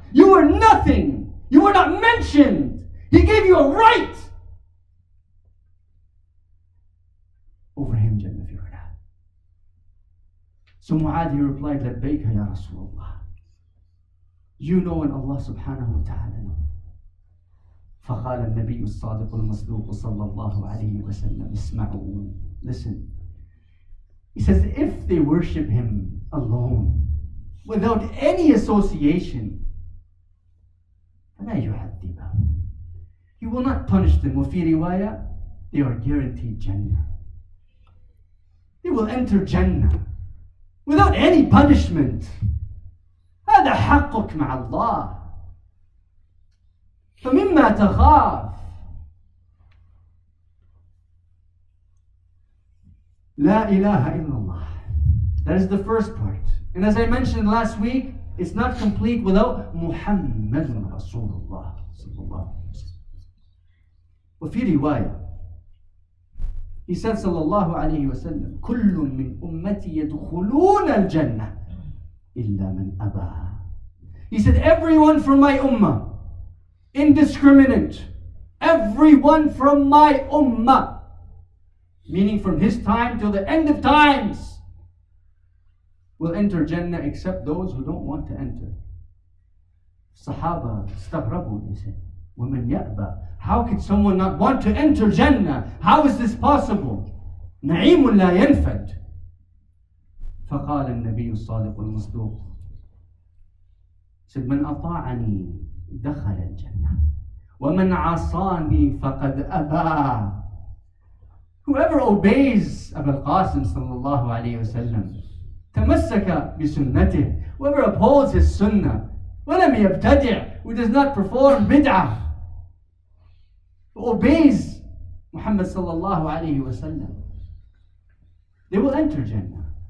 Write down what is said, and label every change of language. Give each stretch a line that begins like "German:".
English: You were nothing. You were not mentioned. He gave you a right over Him, Jalla fi ala. So Mu'adh, he replied,
Arabic: لبيك يا رسول الله.
English: You know, and Allah subhanahu wa ta'ala knows.
Arabic: فقال النبي الصادق المصدوق صلى الله عليه وسلم اسمعوا.
English: Listen. He says, if they worship him alone, without any association,
Arabic: فَلَا يُعَذِّبَهُمْ,
English: he will not punish them.
Arabic: وفي رواية,
English: they are guaranteed Jannah. They will enter Jannah without any punishment.
Arabic: هَذَا حَقُّكْ مَعَ اللَّهِ. فَمِمَّا تَخَافْ لَا إِلَهَ إِلَّا اللَّهِ.
English: That is the first part. And as I mentioned last week, it's not complete without
Arabic: محمد رسول الله صلى الله عليه وسلم. وفي رواية,
English: he said
Arabic: صلى الله عليه وسلم, كل من أمتي يدخلون الجنة إلا من أبى.
English: He said, everyone from my ummah, indiscriminate, everyone from my ummah, meaning from his time till the end of times, will enter Jannah except those who don't want to enter. Sahaba stahrabu, they said,
Arabic: وَمَنْ يَأْبَى.
English: How could someone not want to enter Jannah? How is this possible?
Arabic: نَعِيمٌ لَا يَنْفَدْ. فَقَالَ النَّبِيُّ الصَّادِقُ الْمَصْدُوقُ,
English: said,
Arabic: مَنْ أَطَاعَنِي دخل الجنة ومن عصاني فقد أبى.
English: Whoever obeys Abu al-Qasim sallallahu alayhi wa sallam,
Arabic: تمسك بسنته,
English: whoever upholds his sunnah,
Arabic: ولم يبتدع,
English: who does not perform bid'ah, obeys Muhammad sallallahu alayhi wa sallam, they will enter Jannah.